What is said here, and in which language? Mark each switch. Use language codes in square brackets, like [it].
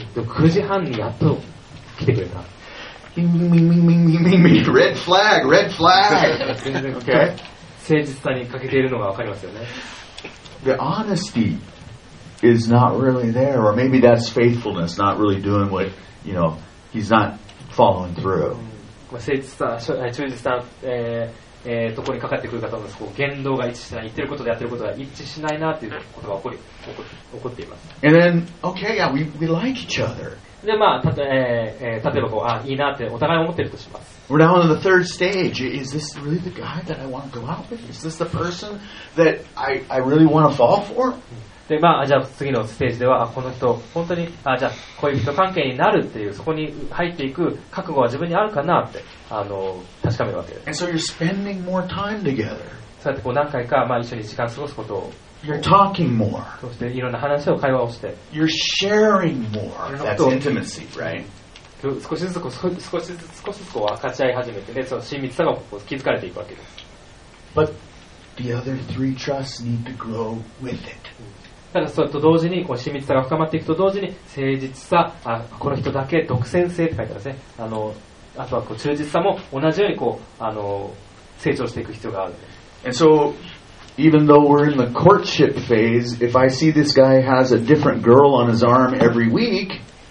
[ja] でも9時半にやっと来てくれた。 [en] Red flag, red flag. Okay. [ja] 誠実さに欠けているのが分かりますよね。 [en] The honesty is not really there, or maybe that's faithfulness, not really doing what you know. He's not following through. [ja] 誠実さ、忠実さ、ところにかかってくる方のこう言動が一致しない、言ってることでやってることが一致しないなということが起こっています。 [en] And then, okay, yeah, we like each other. [ja] でまあ例えばこうあいいなってお互い思ってるとします。 [en] We're now on the third stage. Is this really the guy that I want to go out with? Is this the person that I really want to fall for? [ja] でまあじゃあ次のステージではこの人本当にじゃあ恋人関係になるっていうそこに入っていく覚悟は自分にあるかなって確かめるわけです。 [en] And so you're spending more time together. [ja] そうやってこう何回かまあ一緒に時間過ごすことを。 [en] You're talking more. [ja] そしていろんな話を会話をして。 [en] You're sharing more. That's intimacy, right? [ja] 少しずつこう少しずつ少しずつこう分かち合い始めてね、その親密さがこう築かれていくわけです。 [en] But the other three trusts need to grow with it. [ja] ただそれと同時にこう親密さが深まっていくと同時に誠実さ、この人だけ独占性って書いてあるんですね。あとはこう忠実さも同じようにこう成長していく必要がある。 [en] And so, even though we're in the courtship phase, if I see this guy has a different girl on his arm every week,